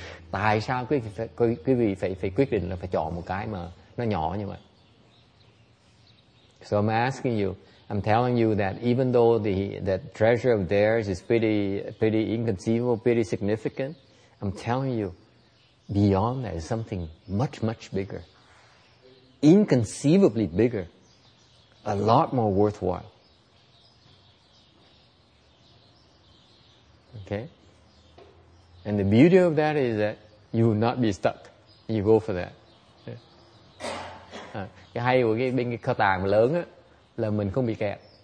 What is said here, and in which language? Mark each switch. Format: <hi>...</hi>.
<vi>Tại sao quý vị phải quyết định là phải chọn một cái mà nó nhỏ như vậy?</vi> <en>So I'm asking you, I'm telling you that even though that treasure of theirs is pretty inconceivable, pretty significant, I'm telling you, beyond that is something much, much bigger. Inconceivably bigger. A lot more worthwhile. Okay? And the beauty of that is that you will not be stuck. You go for that.</en> <vi>Cái hay của cái bên cái kho tàng lớn á, là mình không bị kẹt.</vi>